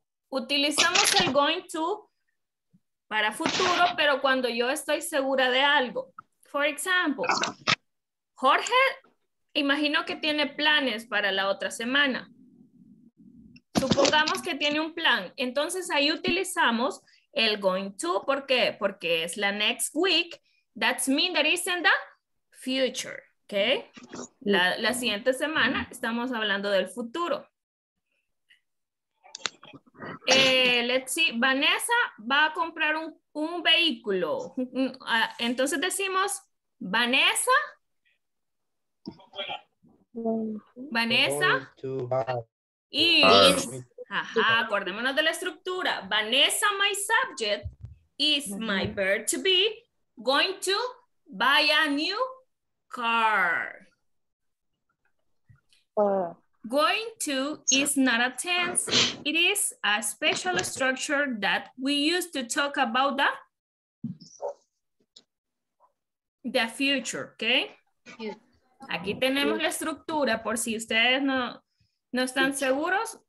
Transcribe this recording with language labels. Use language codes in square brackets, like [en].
[es] Utilizamos el going to para futuro, pero cuando yo estoy segura de algo. [en] For example, [es] Jorge, imagino que tiene planes para la otra semana. Supongamos que tiene un plan. Entonces ahí utilizamos el going to, ¿por qué? Porque es la [en] next week, that means that is in the future, ¿ok? [es] La siguiente semana estamos hablando del futuro. [en] Let's see, [es] Vanessa va a comprar un vehículo. Entonces decimos, Vanessa. [en] Vanessa. Is. [es] Ajá, acordémonos de la estructura. [en] Vanessa, my subject, is my verb to be going to buy a new car. Going to is not a tense. It is a special structure that we use to talk about the future, ¿ok? [es] Aquí tenemos la estructura por si ustedes no están seguros.